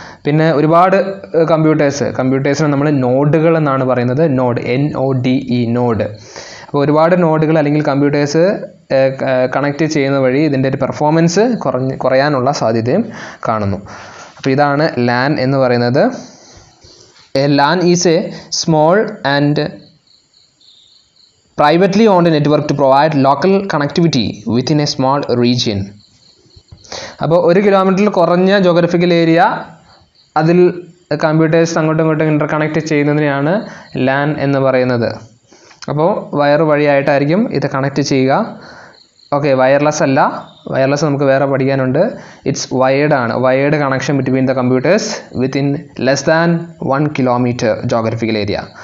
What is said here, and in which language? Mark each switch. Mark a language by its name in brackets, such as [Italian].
[Malayalam] പിന്നെ ഒരുപാട് കമ്പ്യൂട്ടേഴ്സിനെ നമ്മൾ നോഡുകൾ എന്നാണ് പറയുന്നത്. Node, NODE, node. അപ്പോൾ ഒരുപാട് നോഡുകൾ അല്ലെങ്കിൽ കമ്പ്യൂട്ടേഴ്സ് കണക്റ്റ് ചെയ്യുന്ന വഴി ഇതിൻ്റെ ഒരു പെർഫോമൻസ് കുറയാനുള്ള സാധ്യതയും കാണുന്നു. അപ്പോൾ ഇതാണ് ലാൻ എന്ന് പറയുന്നത്. [English] A LAN is a small and privately owned network to provide local connectivity within a small region. [Malayalam] അപ്പോൾ 1 kilometer കുറഞ്ഞ ജോഗ്രഫിക്കൽ ഏരിയ, അതിൽ കമ്പ്യൂട്ടേഴ്സ് അങ്ങോട്ടും ഇങ്ങോട്ടും ഇൻ്റർകണക്ട് ചെയ്യുന്നതിനെയാണ് ലാൻ എന്ന് പറയുന്നത്. അപ്പോൾ വയർ വഴിയായിട്ടായിരിക്കും ഇത് കണക്റ്റ് ചെയ്യുക. ഓക്കെ, വയർലെസ് അല്ല, വയർലെസ് നമുക്ക് വേറെ പഠിക്കാനുണ്ട്. [English] It's wired ആണ്, wired connection between the computers within less than 1 kilometer geographical area.